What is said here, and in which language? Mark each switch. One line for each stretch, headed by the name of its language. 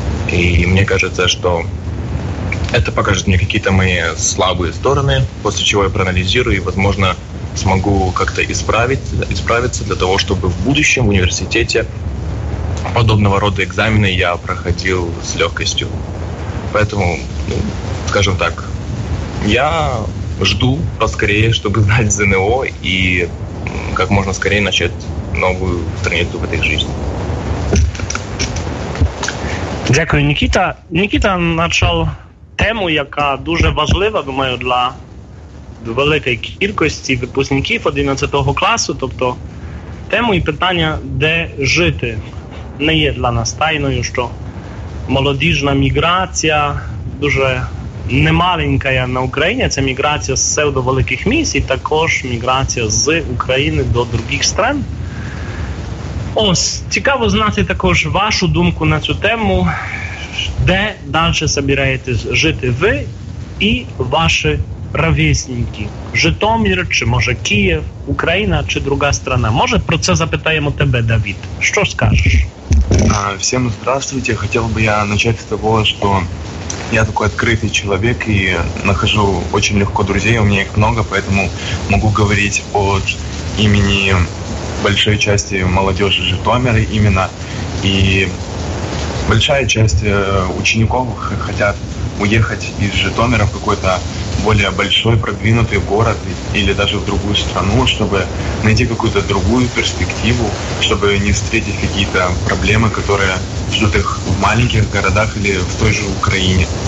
Russian: И мне кажется, что это покажет мне какие-то мои слабые стороны, после чего я проанализирую и, возможно, смогу как-то исправиться для того, чтобы в будущем в университете подобного рода экзамены я проходил с легкостью. Поэтому, ну, скажем так, я жду поскорее, чтобы сдать ЗНО и как можно скорее начать новую страницу в этой жизни.
Ukrainian: Дякую, Никита. Никита начал тему, яка дуже важлива, думаю, для великої кількості випускників 11 класу, тобто тему і питання, де жити, не є для нас тайною, що молодіжна міграція дуже немаленька на Україні, це міграція з псевдовеликих міст і також міграція з України до інших країн. Ось, цікаво знати також вашу думку на цю тему, де далі збираєтесь жити ви і ваші ровесники. Житомир, чи може Київ, Україна, чи друга країна? Може, про це запитаємо тебе, Давид. Що скажеш? Всім здравствуйте. Хотів би я почати з того, що я такий відкритий чоловік і нахожу дуже легко друзів, у мене їх багато, тому можу говорити від імені большої частини молоді Житомира іменно.
Russian: І большая часть учеников хотят уехать из Житомира в какой-то более большой, продвинутый город или даже в другую страну, чтобы найти какую-то другую перспективу, чтобы не встретить какие-то проблемы, которые ждут их в маленьких городах или в той же Украине.